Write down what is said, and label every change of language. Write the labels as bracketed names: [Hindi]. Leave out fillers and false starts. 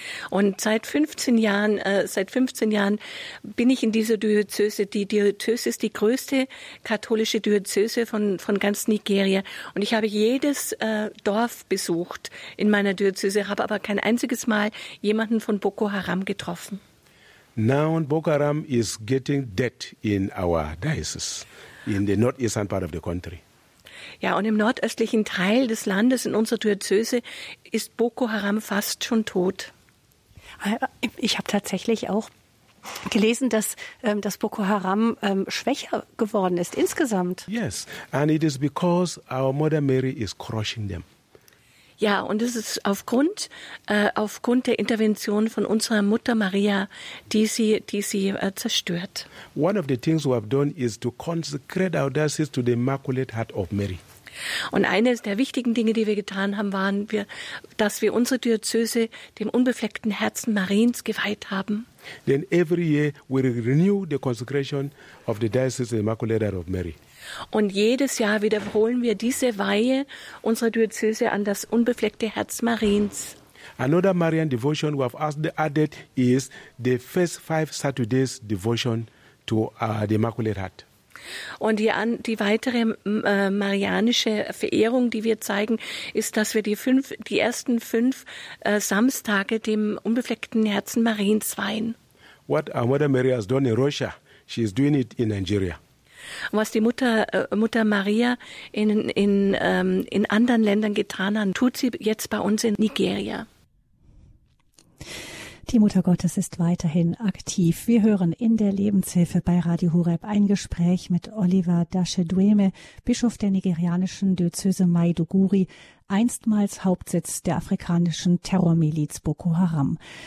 [German] Und seit 15 Jahren bin ich in dieser Diözese. Die Diözese ist die größte katholische Diözese von ganz Nigeria. Und ich habe jedes Dorf besucht in meiner Diözese, habe aber kein einziges Mal jemanden von Boko Haram getroffen. [English] Now Boko Haram is getting dead in our diocese, in the northeastern part of the country. [German] Ja, und im nordöstlichen Teil des Landes, in unserer Diözese, ist Boko Haram fast schon tot. Ich habe tatsächlich auch gelesen, dass Boko Haram schwächer geworden ist insgesamt. [English] Yes, and it is because our Mother Mary is crushing them. [German] Ja, und es ist aufgrund der Intervention von unserer Mutter Maria, die sie zerstört. [English] One of the things we have done is to consecrate our diocese to the Immaculate Heart of Mary. [German] Und eines der wichtigen Dinge, die wir getan haben, dass wir unsere Diözese dem unbefleckten Herzen Mariens geweiht haben. [English] Then every year we renew the consecration of the diocese to the Immaculate Heart of Mary. [German] Und jedes Jahr wiederholen wir diese Weihe unserer Diözese an das unbefleckte Herz Mariens. [English] Another Marian devotion we have added is the first 5 Saturdays devotion to the Immaculate Heart. [German] Und die weitere marianische Verehrung, die wir zeigen, ist, dass wir die ersten fünf Samstage dem unbefleckten Herzen Mariens weihen. [English] What our Mother Mary has done in Russia, she is doing it in Nigeria. [German] Was die Mutter Maria in anderen Ländern getan hat, tut sie jetzt bei uns in Nigeria. Die Mutter Gottes ist weiterhin aktiv. Wir hören in der Lebenshilfe bei Radio Horeb ein Gespräch mit Oliver Dasche-Dueme, Bischof der nigerianischen Diözese Maiduguri, einstmals Hauptsitz der afrikanischen Terrormiliz Boko Haram.